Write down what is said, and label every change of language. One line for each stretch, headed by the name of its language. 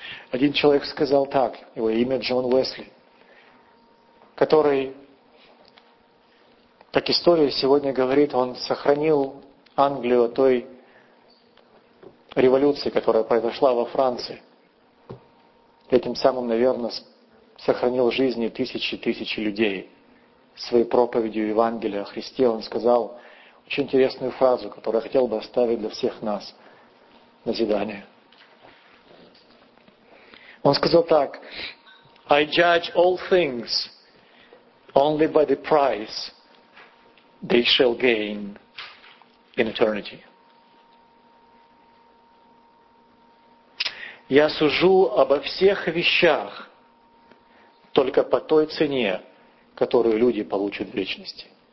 Russian: Один человек сказал так, его имя Джон Уэсли, который, как история сегодня говорит, он сохранил Англию от той революции, которая произошла во Франции. Этим самым, наверное, сохранил жизни тысячи и тысячи людей. Своей проповедью Евангелия о Христе он сказал очень интересную фразу, которую я хотел бы оставить для всех нас на назидание. Он сказал так:
English: I judge all things only by the price they shall gain in eternity.
Russian: Я сужу обо всех вещах только по той цене, которую люди получат в вечности.